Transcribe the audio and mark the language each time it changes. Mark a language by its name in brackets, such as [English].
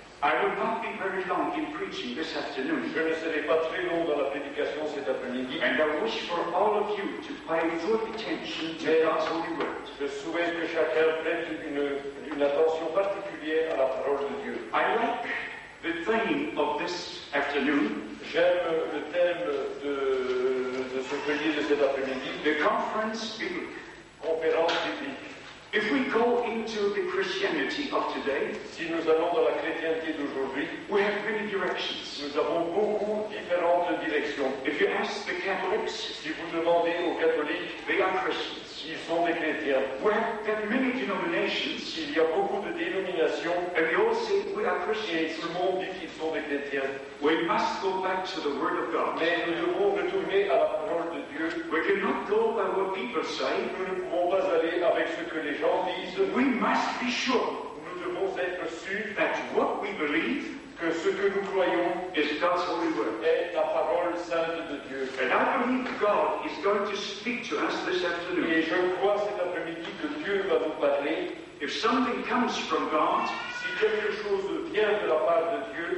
[English] I will not be very long in preaching this afternoon. [French] Je ne serai pas très long dans la prédication cet après-midi. [English] And I wish for all of you to pay full attention to God's holy word. [French] Je souhaite que chacun prête une attention particulière à la parole de Dieu. [English] I like the theme of this afternoon. [French] J'aime le thème de ce que dit de cet après-midi. [English] The conference biblique. [French] Conférence biblique. [English] If we go into the Christianity of today, [French] si nous allons dans la chrétienté d'aujourd'hui, [English] we have many directions. [French] Nous avons beaucoup différentes directions. [English] If you ask the Catholics, [French] si vous demandez aux catholiques, [English] they are Christians. [French] Ils sont des chrétiens. [English] We have many denominations. [French] Il y a beaucoup de dénominations. [English] And they all say we are Christians. [French] Et tout le monde dit qu'ils sont des chrétiens. [English] We must go back to the Word of God. [French] Mais nous devons retourner à la parole de Dieu. [English] We cannot go by what people say. [French] Nous ne pouvons pas aller avec ce que les gens disent. [English] We must be sure. [French] Nous devons être sûrs [English] that what we believe, [French] que ce que nous croyons, [English] is God's holy word, [French] est la parole sainte de Dieu. [English] And I believe God is going to speak to us this afternoon. [French] Et je crois cet après-midi que Dieu va vous parler. [English] If something comes from God, [French] si quelque chose vient de la part de Dieu,